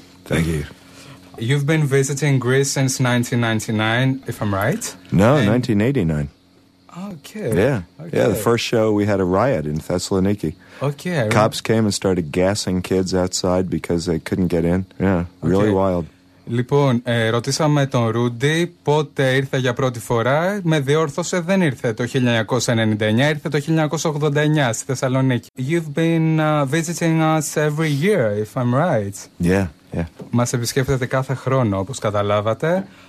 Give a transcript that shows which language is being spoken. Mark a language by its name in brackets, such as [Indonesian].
[English] Thank you. You've been visiting Greece since 1999, if I'm right. No, and 1989. Okay. Yeah. Okay. Yeah, the first show we had a riot in Thessaloniki. Okay. Cops came and started gassing kids outside because they couldn't get in. Yeah, really wild. [Greek] Λοιπόν, ρωτήσαμε τον Ρούντι πότε ήρθε για πρώτη φορά. Με διόρθωσε, δεν ήρθε το 1999, ήρθε το 1989 στη Θεσσαλονίκη. [English] You've been visiting us every year, if I'm right. Yeah, yeah. [Greek] Μας επισκέφτεται κάθε χρόνο, όπως καταλάβατε.